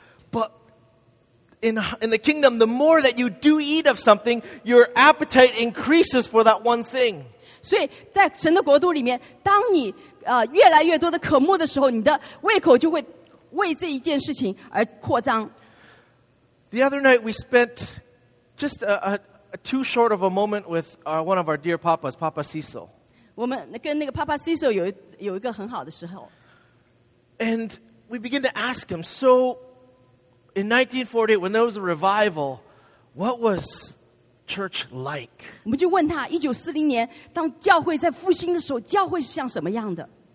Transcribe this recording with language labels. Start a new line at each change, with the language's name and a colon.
English: But in the kingdom, the more that you do eat of something, your appetite increases for that one thing.
Chinese: 所以在神的国度里面，当你越来越多的渴慕的时候，你的胃口就会为这一件事情而扩张。
English: The other night, we spent just too short of a moment with one of our dear papas, Papa Cecil.
Chinese: 我们跟那个Papa Cecil有一个很好的时候。
English: And we begin to ask him, so in 1948, when there was a revival, what was church like?
Chinese: 我们就问他, 1940年, 当教会在复兴的时候, 教会是像什么样的?